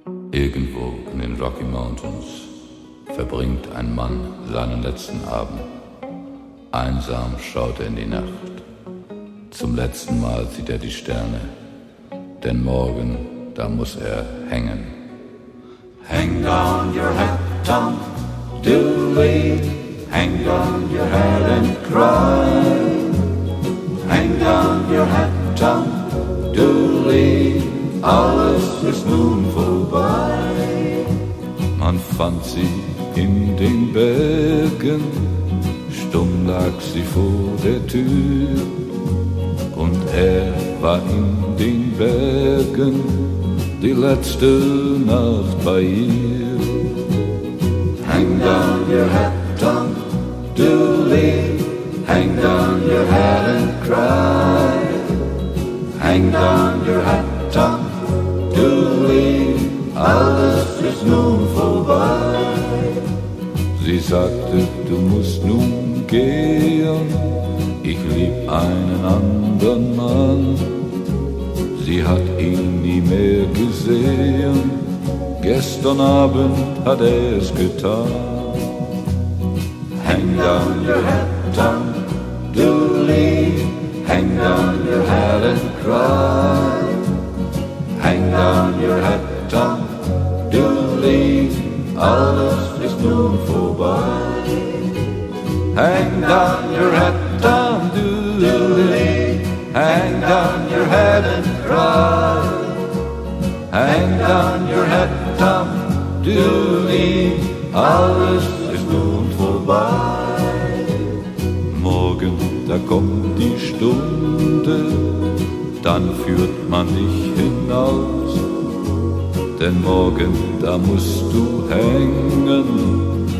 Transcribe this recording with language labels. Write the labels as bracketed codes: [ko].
[de] Irgendwo in den Rocky Mountains verbringt ein Mann seinen letzten Abend. Einsam schaut er in die Nacht. Zum letzten Mal sieht er die Sterne, denn morgen, da muss er hängen. [en] Hang down your head, Tom, do lead. Hang down your head and cry. Hang down your head, Tom, do lead. [de] Alles ist nun vorbei. Man fand sie in den Bergen, stumm lag sie vor der Tür. Und er war in den Bergen die letzte Nacht bei ihr. [en] Hang down your head, Tom, do leave. Hang down your head and cry. Hang down your head, Tom, do leave. [de] Alles ist nun vorbei. Sie sagte, du musst nun gehen. Ich lieb einen anderen Mann. Sie hat ihn nie mehr gesehen. Gestern Abend hat es getan. [en] Hang down your head, Tom, do leave. Hang down your head and cry. Hang down your head, Tom, do leave. [de] Alles ist nun vorbei. [en] Hang down your head, Tom, do leave. Hang down your head and cry. Hang down your head, Tom, do leave. [de] Alles ist nun vorbei. Morgen, da kommt die Stunde, dann führt man dich hinaus. Denn morgen, da musst du hängen.